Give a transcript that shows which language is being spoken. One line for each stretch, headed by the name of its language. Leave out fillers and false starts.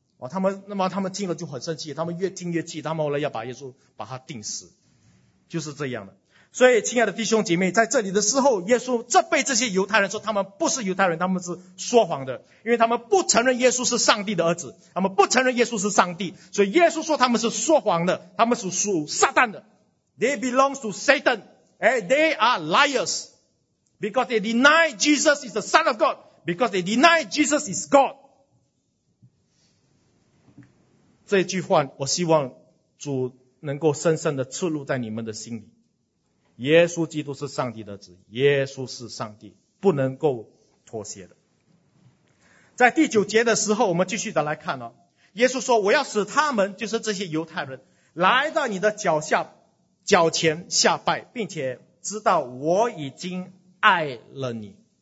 Chinese: 他们听了就很生气，他们越听越气，他们后来要把耶稣把他钉死，就是这样的。所以亲爱的弟兄姐妹，在这里的时候，耶稣责备这些犹太人说他们不是犹太人，他们是说谎的，因为他们不承认耶稣是上帝的儿子，他们不承认耶稣是上帝，所以耶稣说他们是说谎的，他们是属撒旦的。
English: They belong to Satan. They are liars because they deny Jesus is the Son of God, because they deny Jesus is God.
Chinese: 这句话我希望主能够深深的刺入在你们的心里，耶稣基督是上帝的子，耶稣是上帝，不能够妥协的。在第九节的时候，我们继续的来看哦，耶稣说，我要使他们，就是这些犹太人，来到你的脚前下拜，并且知道我已经爱了你。